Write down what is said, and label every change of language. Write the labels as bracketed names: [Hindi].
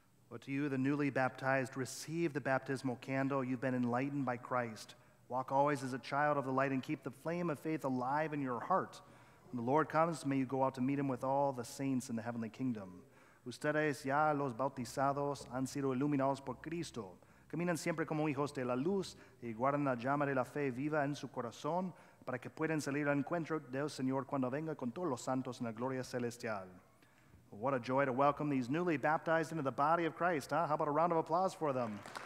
[English] But to you, the newly baptized, receive the baptismal candle. You've been enlightened by Christ. Walk always as a child of the light and keep the flame of faith alive in your heart. When the Lord comes, may you go out to meet him with all the saints in the heavenly kingdom. [Spanish] Ustedes ya los bautizados han sido iluminados por Cristo. Caminan siempre como hijos de la luz y guardan la llama de la fe viva en su corazón para que puedan salir al encuentro del Señor cuando venga con todos los santos en la gloria celestial. [English] What a joy to welcome these newly baptized into the body of Christ, huh? How about a round of applause for them?